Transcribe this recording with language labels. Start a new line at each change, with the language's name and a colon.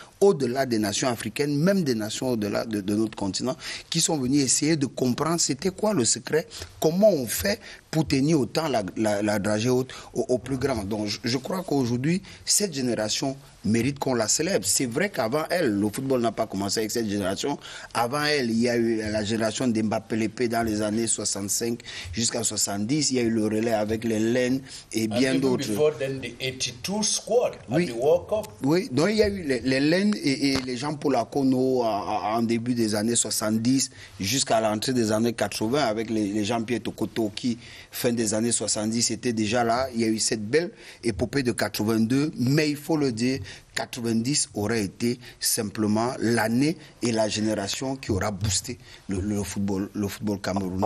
French: au-delà des nations africaines, même des nations au-delà de notre continent, qui sont venus essayer de comprendre c'était quoi le secret, comment on fait pour tenir autant la dragée haute au plus grand. Donc je crois qu'aujourd'hui, cette génération mérite qu'on la célèbre. C'est vrai qu'avant elle, le football n'a pas commencé avec cette génération. Avant elle, il y a eu la génération d'Mbappé Lépé dans les années 65 jusqu'à 70. Il y a eu le relais avec les LEN et bien d'autres.
English: Et before then, the 82 squad at the World Cup.
French: Oui, donc il y a eu les LEN et les Jean-Paul Akono en début des années 70 jusqu'à l'entrée des années 80 avec les Jean-Pierre Tokoto qui, fin des années 70, était déjà là. Il y a eu cette belle épopée de 82. Mais il faut le dire, 90 aurait été simplement l'année et la génération qui aura boosté le football camerounais.